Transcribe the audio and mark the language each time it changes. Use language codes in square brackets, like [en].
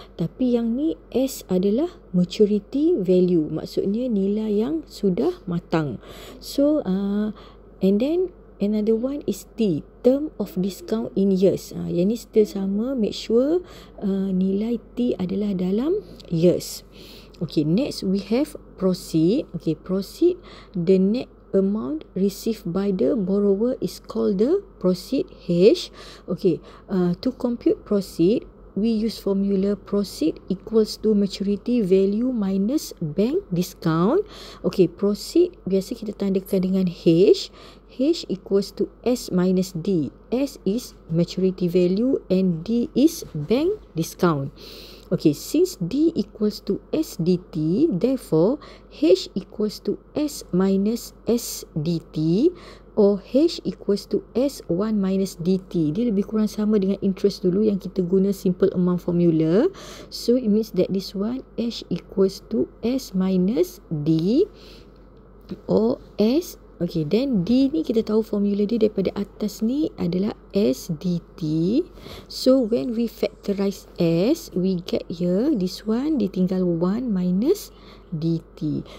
[ms] Tapi yang ni S adalah maturity value, maksudnya nilai yang sudah matang. [en] So and then another one is T, term of discount in years. [ms] Yang ni still sama, [en] make sure [ms] nilai T adalah dalam years. [en] Okay, next we have proceed. Okay, proceed, the net amount received by the borrower is called the proceed H. Okay, to compute proceed, we use formula proceed equals to maturity value minus bank discount. Okay, proceed [ms] biasa kita tandakan dengan [en] H. H equals to S minus D. S is maturity value and D is bank discount. Okay, since D equals to SDT, therefore H equals to S minus SDT, or H equals to S1 minus DT. [ms] Dia lebih kurang sama dengan interest dulu yang kita guna simple amount formula. [en] So it means that this one, H equals to S minus D, or S. [ms] Okay, then D ni kita tahu formula dia daripada atas ni adalah SDT. [en] So when we factorize S, we get here this one [ms] ditinggal [en] 1 minus DT.